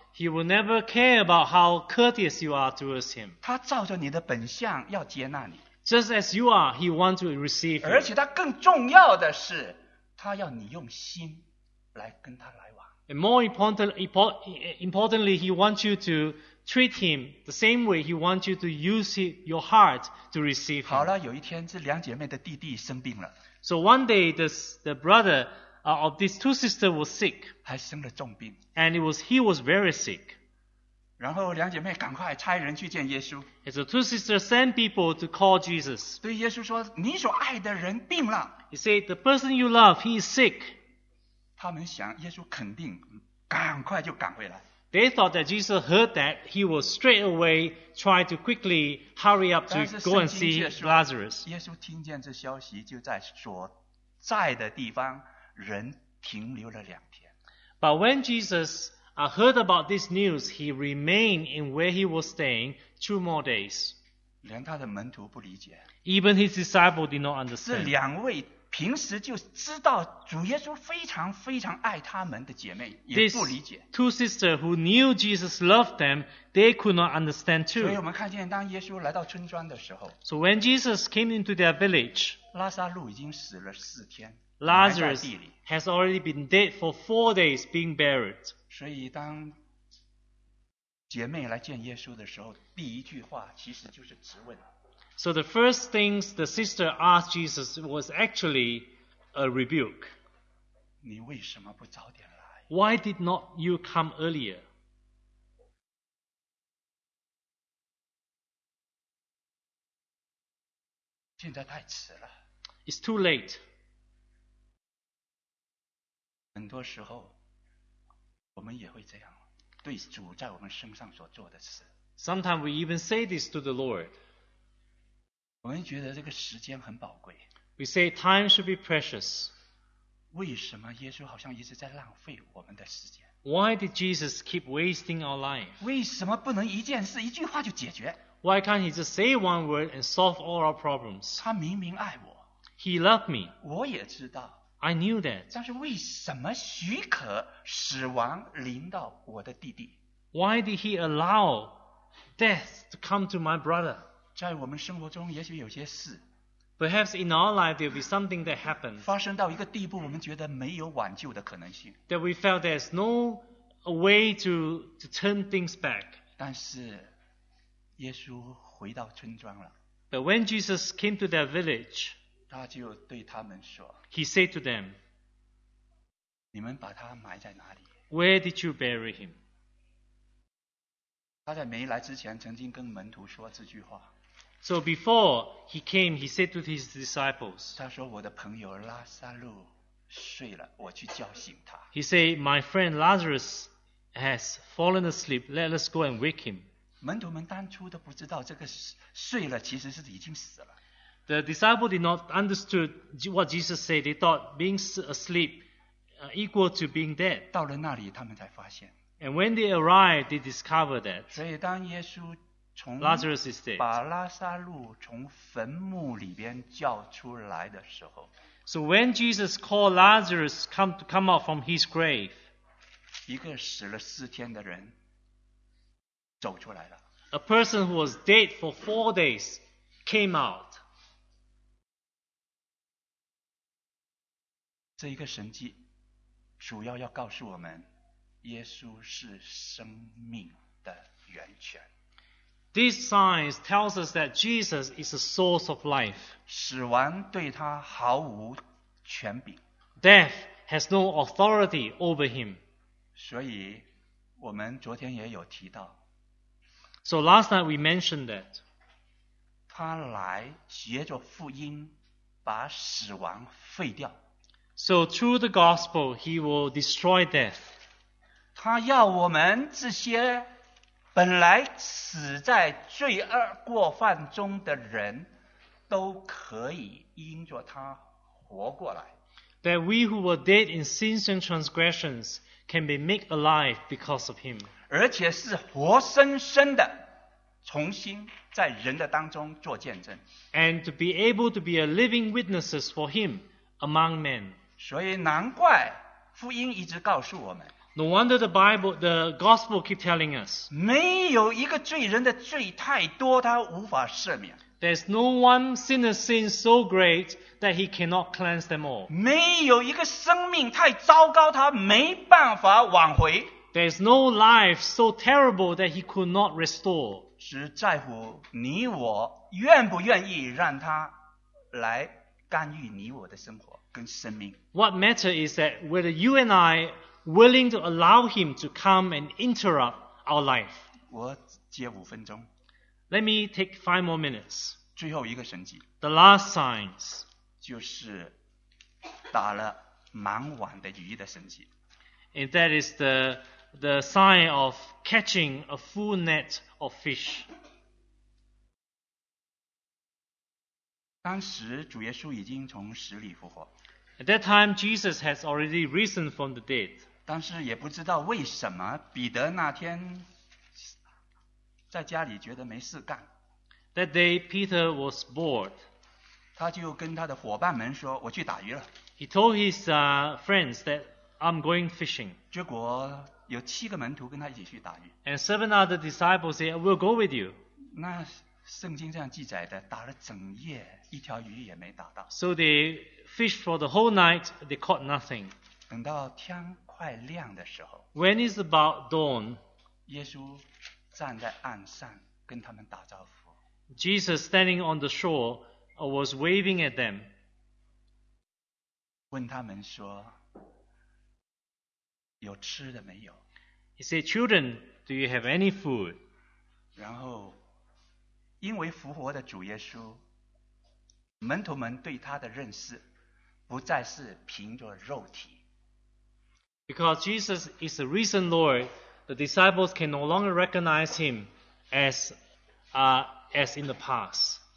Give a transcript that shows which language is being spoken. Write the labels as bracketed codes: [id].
[en] He will never care about how courteous you are towards him. [zh] 他照着你的本相要接纳你。 [en] Just as you are, he wants to receive you. [zh] 而且他更重要的是，他要你用心来跟他来。 [en] And more importantly, he wants you to treat him the same way he wants you to use your heart to receive him. [zh] 好了，有一天这两姐妹的弟弟生病了。 [en] So one day the brother of these two sisters was sick. [zh] 还生了重病。 [en] And he was very sick. [zh] 然后两姐妹赶快差人去见耶稣。 [en] And so two sisters send people to call Jesus. [zh] 对耶稣说，你所爱的人病了。 [en] He said, the person you love, he is sick. [zh] 他们想耶稣肯定赶快就赶回来。 [en] They thought that Jesus heard that, he will straight away try to quickly hurry up to go and see Lazarus. [zh] 耶稣听见这消息就在所在的地方人停留了两天。 [en] But when Jesus heard about this news, he remained in where he was staying two more days. [zh] 连他的门徒不理解。 [en] Even his disciples did not understand. [zh] 这两位平时就知道主耶稣非常非常爱他们的姐妹也不理解。 [en] This two sisters who knew Jesus loved them, they could not understand too. [zh] 所以我们看见当耶稣来到村庄的时候。 [en] So when Jesus came into their village, [zh] 拉撒路已经死了四天。 [en] Lazarus has already been dead for 4 days being buried. [zh] 所以当姐妹来见耶稣的时候第一句话其实就是质问。 [en] So the first things the sister asked Jesus was actually a rebuke. [zh] 你为什么不早点来? [en] Why did not you come earlier? [zh] 现在太迟了。 [en] It's too late. [zh] 很多时候我们也会这样对主在我们身上所做的事。 [en] Sometimes we even say this to the Lord. [zh] 我们觉得这个时间很宝贵。 [en] We say time should be precious. [zh] 为什么耶稣好像一直在浪费我们的时间？ [en] Why did Jesus keep wasting our life? [zh] 为什么不能一件事一句话就解决？ [en] Why can't he just say one word and solve all our problems? [zh] 他明明爱我。 [en] He loved me. [zh] 我也知道。 [en] I knew that. [zh] 但是为什么许可死亡临到我的弟弟？ [en] Why did he allow death to come to my brother? [zh] 在我们生活中也许有些事 [en] Perhaps in our life there will be something that happened [zh] 发生到一个地步我们觉得没有挽救的可能性 [en] That we felt there's no way to turn things back [zh] 但是耶稣回到村庄了 [en] But when Jesus came to their village [zh] 他就对他们说 [en] He said to them [zh] 你们把他埋在哪里 [en] Where did you bury him? [zh] 他在没来之前曾经跟门徒说这句话 [en] So before he came, he said to his disciples, [zh] 他说我的朋友拉撒路睡了，我去叫醒他。 [en] He said, my friend Lazarus has fallen asleep, let us go and wake him. [zh] 门徒们当初都不知道这个睡了其实是已经死了。 [en] The disciples did not understood what Jesus said. They thought being asleep equal to being dead. [zh] 到了那里他们才发现。 [en] And when they arrived, they discovered that. [zh] 所以当耶稣 [en] Lazarus is dead. [zh] 把拉撒路从坟墓里边叫出来的时候 [en] So when Jesus called Lazarus to come out from his grave, [zh] 一个死了四天的人走出来了 [en] A person who was dead for 4 days came out. [zh] 这一个神迹主要要告诉我们耶稣是生命的源泉 [en] These signs tells us that Jesus is a source of life. [zh] 死亡对他毫无权柄。 [en] Death has no authority over him. [zh] 所以我们昨天也有提到。 [en] So last night we mentioned that. [zh] 他来藉着福音把死亡废掉。 [en] So through the gospel, he will destroy death. [zh] 他要我们这些本来死在罪恶过犯中的人都可以因着他活过来。 [en] That we who were dead in sins and transgressions can be made alive because of him. [zh] 而且是活生生的重新在人的当中做见证。 [en] And to be able to be a living witnesses for him among men. [zh] 所以难怪福音一直告诉我们 [en] No wonder the gospel keep telling us. [zh] 没有一个罪人的罪太多，他无法赦免。 [en] There's no one sinner's sin so great that he cannot cleanse them all. [zh] 没有一个生命太糟糕，他没办法挽回。 [en] There's no life so terrible that he could not restore. [zh] 只在乎你我愿不愿意让他来干预你我的生活跟生命。 [en] What matter is that whether you and I willing to allow him to come and interrupt our life. [zh] 我接五分钟。 [en] Let me take 5 more minutes. [zh] 最后一个神迹。 [en] The last signs. [zh] 就是打了满网的鱼的神迹。 [en] And that is the sign of catching a full net of fish. [zh] 当时主耶稣已经从死里复活。 [en] At that time, Jesus has already risen from the dead. [zh] 但是也不知道为什么彼得那天在家里觉得没事干。 [en] That day, Peter was bored. [zh] 他就跟他的伙伴们说，我去打鱼了。 [en] He told his friends that I'm going fishing. [zh] 结果有七个门徒跟他一起去打鱼。 [en] And seven other disciples said, we'll go with you. [zh] 那圣经这样记载的，打了整夜，一条鱼也没打到。 [en] So they fished for the whole night, they caught nothing. [zh] 等到天快亮的时候， [en] When it's about dawn, [zh] 耶稣站在岸上跟他们打招呼。 [en] Jesus standing on the shore was waving at them. [zh] 问他们说，有吃的没有？ [en] He said, children, do you have any food? [zh] 然后因为复活的主耶稣，门徒们对他的认识不再是凭着肉体。 [en] Because Jesus is the risen Lord, the disciples can no longer recognize him as in the past.